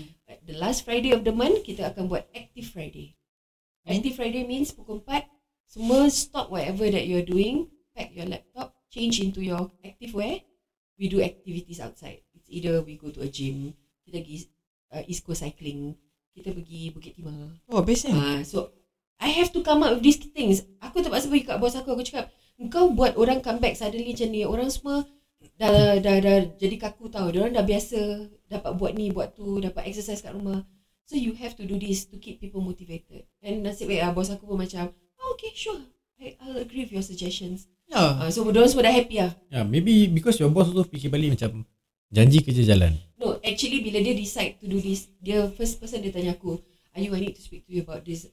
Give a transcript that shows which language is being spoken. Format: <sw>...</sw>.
<en>But the last Friday of the month,</en> <ms>kita akan buat</ms> <en>Active Friday. Active Friday means</en> <ms>pukul 4, semua</ms> <en>stop whatever that you're doing. Pack your laptop, change into your active wear. We do activities outside. It's either we go to a gym,</en> <ms>kita pergi East Coast cycling, kita pergi Bukit Timah. Oh, biasa.</ms> <en>So, I have to come up with these things.</en> <ms>Aku terpaksa pergi kat bos aku cakap, kau buat orang</ms> <en>come back suddenly</en> <ms>macam ni. Orang semua dah jadi kaku tau. Diorang dah biasa dapat buat ni, buat tu, dapat exercise kat rumah.</ms> <en>So, you have to do this to keep people motivated. And</en> <ms>nasib baik lah, bos aku pun macam,</ms> <en>oh, okay, sure. I'll agree with your suggestions. Yeah.</en> <ms>So, diorang semua dah happy lah.</ms> <en>Yeah, maybe because your boss also</en> <ms>fikir balik macam, janji kerja jalan.</ms> <en>No, actually</en> <ms>bila dia</ms> <en>decide to do this, dia first person</en> <ms>dia tanya aku,</ms> <en>Ayu, I need to speak to you about this.</en>